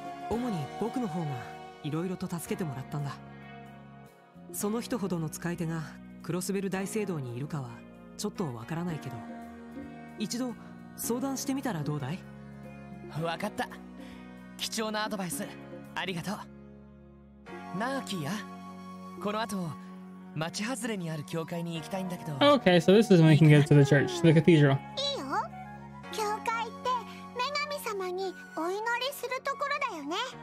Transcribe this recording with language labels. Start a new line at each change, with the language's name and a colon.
Japanese: うん、主に僕の方がいろいろと助けてもらったんだ。その人ほどの使い手がクロスベル大聖堂にいるかはちょっとわからないけど、一度相談してみたらどうだい？わかった。貴重なアドバイスありがとう。ナーキーや、この後町外れにある教会に行きたいんだけど。
English: OK, so this is when we can get to the church, the cathedral.
Japanese: いいよ。教会って女神様にお祈りするところだよね。